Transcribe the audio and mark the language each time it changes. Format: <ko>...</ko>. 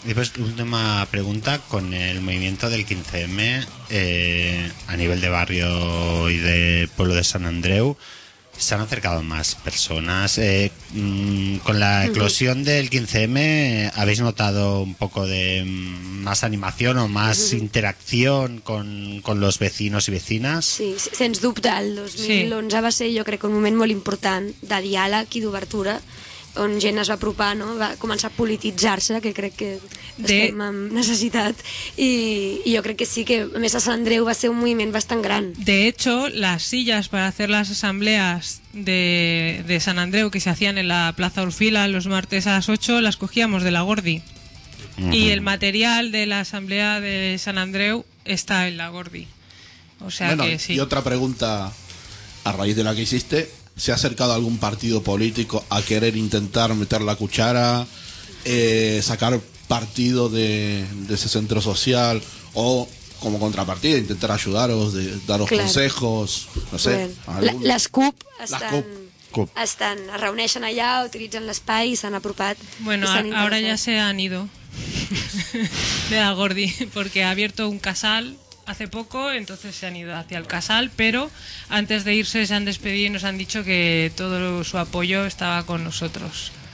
<es>Y pues última pregunta, con el movimiento del 15M, a nivel de barrio y de pueblo de San Andreu, se han acercado más personas. Con la eclosión del 15M, ¿habéis notado un poco de más animación o más interacción con los vecinos y vecinas?</es> <ca>Sí, sens dubte, el 2011 sí. Va ser, jo crec, un moment molt important de diàleg i d'obertura, on gent es va apropar, no? Va començar a polititzar-se, que crec que estem en necessitat. I jo crec que sí, que a més a Sant Andreu va ser un moviment bastant gran.</ca> <es>De hecho, las sillas para hacer las asambleas de Sant Andreu que se hacían en la Plaza Orfila los martes a las 8 las cogíamos de la Gordi. Uh-huh. Y el material de la asamblea de Sant Andreu está en la Gordi. O sea, bueno, que sí. Y otra pregunta a raíz de la que hiciste, ¿se ha acercado algún partido político a querer intentar meter la cuchara, sacar partido de ese centro social o como contrapartida intentar ayudaros, de daros claro. consejos, no sé, las CUP están reuneixen allá, utilizan el espai, s'han apropat. Bueno, ahora ya se han ido. De la Gordi, porque ha abierto un casal hace poco, entonces se han ido hacia el casal, pero antes de irse se han despedido y nos han dicho que todo su apoyo estaba con nosotros.</es>